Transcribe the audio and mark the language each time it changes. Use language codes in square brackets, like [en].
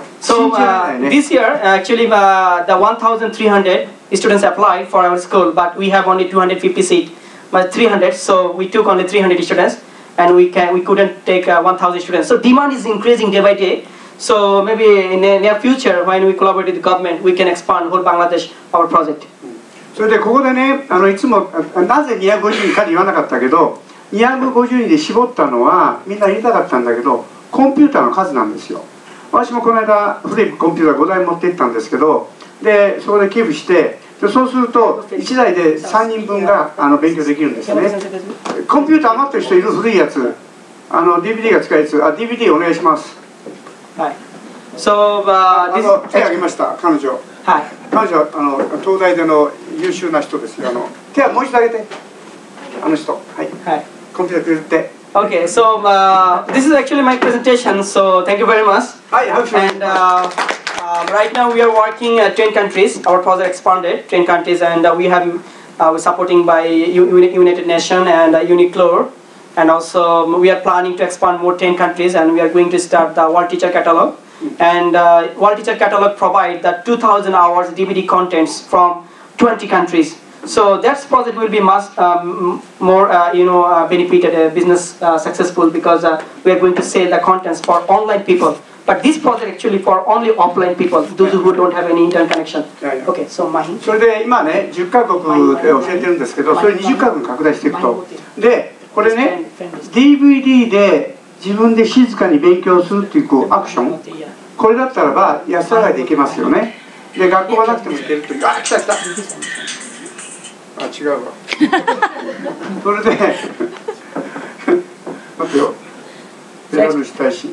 [en] So this year, actually, the 1,300 students applied for our school, but we have only 250 seats. But 300, so we took only 300 students, and we couldn't take 1,000 students. So demand is increasing day by day. So maybe in the near future, when we collaborate with the government, we can expand whole Bangladesh our project. [ja] それでここでね、あのいつもなぜ250人かと言わなかったけど、250人で絞ったのはみんな入れたかったんだけど、コンピューターの数なんですよ。私もこの間古いコンピューター5台持って行ったんですけど、でそこで寄付して、でそうすると1台で3人分があの勉強できるんですね。コンピューター余ってる人いる、古いやつ、あの DVD が使えるやつ、あ DVD お願いします。はい、 [en] so, this... [ja] 手挙げました彼女。はい、彼女はあの東大での優秀な人ですよ。あの手はもう一度挙げて、あの人、はい、はい、コンピューターくれて。 [en] OK, so this is actually my presentation, so thank you very much. [ja] はい、拍手。 [en] And right now we are working at 10 countries. Our project expanded 10 countries, and we have we're supporting by United Nations and Uniqlo, and also we are planning to expand more 10 countries, and we are going to start the World Teacher Catalog. And World Teacher Catalog provides the 2,000 hours DVD contents from 20 countries. So that project will be much more, you know, benefited, business successful, because we are going to sell the contents for online people. But this project actually for only offline people, those who don't have any internet connection. Yeah, yeah. Okay, so Mahi. [ja] それで今ね、10カ国で教えてるんですけど、それ20カ国拡大していくと。で、これね、DVD で自分で静かに勉強するっていうこうアクション、これだったらば安上がりでいけますよね。で学校がなくても行けるという、あ来た来た、あ違うわそれで待ってよ、選ぶしたいし。